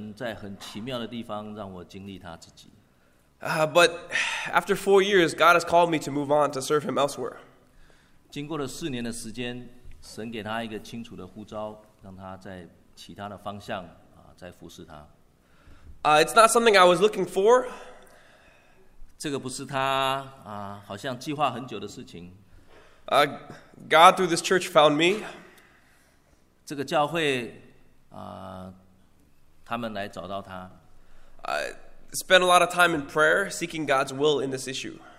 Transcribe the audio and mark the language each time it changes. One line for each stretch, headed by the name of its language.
Chinese: 我真的是经历到神在很奇妙的地方让我经历他自己。
English: But after 4 years, God has called me to move on to serve him elsewhere.
Chinese: 经过了4年的时间, 神给他一个清楚的呼召。让他在其他的方向,
English: It's not something I was looking for.
Chinese: 这个不是他,
English: God through this church found me.
Chinese: 这个教会,
English: I spent a lot of time in prayer seeking God's will in this issue.